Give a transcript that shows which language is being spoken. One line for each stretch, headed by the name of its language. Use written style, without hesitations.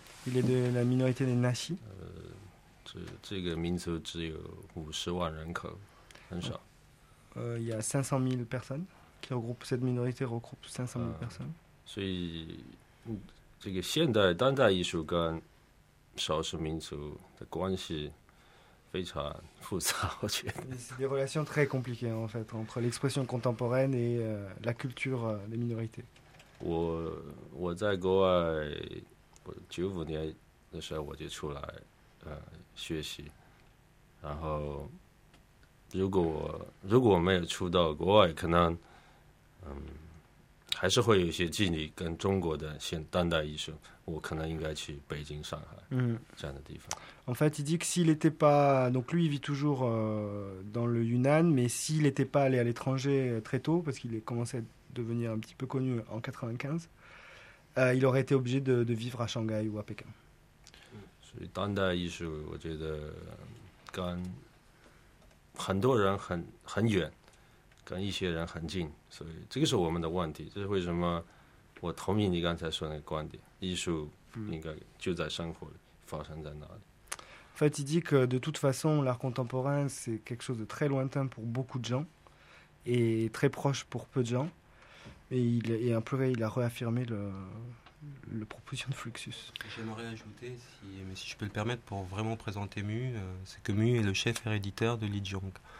French: Il est de la minorité des Nazis. Il y a 500 000 personnes qui regroupent cette minorité, regroupe 500 000 personnes. Donc,
Chinese: 现代当代艺术跟少数民族的关系非常复杂，我觉得。
French: C'est des relations très compliquées en fait entre l'expression contemporaine et la culture des minorités.
Chinese: 我在国外，我九五年的时候我就出来学习，然后如果没有出到国外，可能还是会有一些距离跟中国的现当代艺术，我可能应该去北京、上海这样的地方。
French: En fait, il dit que s'il n'était pas, donc lui, il vit toujours dans le Yunnan, mais s'il n'était pas allé à l'étranger très tôt, parce qu'il est commencé à devenir un petit peu connu en 1995, il aurait été obligé de vivre à Shanghai ou à Pékin. Donc, dans la vie, je crois que quand beaucoup de gens sont très loin,
Chinese: 跟一些人很近，所以这个是我们的问题。这是为什么我同意你刚才说的那个观点，艺术应该就在生活里，发生在哪里。
French: En fait, il dit que de toute façon, l'art contemporain, c'est quelque chose de très lointain pour beaucoup de gens et très proche pour peu de gens. Et un peu, il a réaffirmé le proposition de Fluxus. J'aimerais ajouter, si je peux le permettre, pour vraiment présenter Mu, c'est que Mu est le chef héréditaire de Li Jiong.